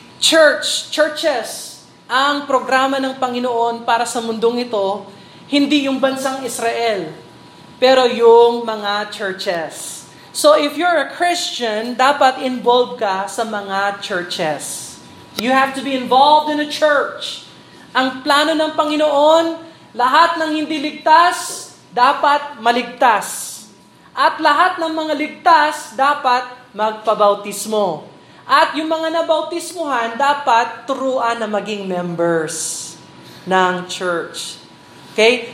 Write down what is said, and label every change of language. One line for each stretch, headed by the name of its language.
Filipino: Churches, ang programa ng Panginoon para sa mundong ito, hindi yung bansang Israel, pero yung mga churches.
English: So if you're a Christian,
Filipino: dapat involved ka sa mga churches.
English: You have to be involved in a church.
Filipino: Ang plano ng Panginoon, lahat ng hindi ligtas, dapat maligtas. At lahat ng mga ligtas, dapat magpabautismo. At yung mga nabautismuhan, dapat turuan na maging members ng church. Okay?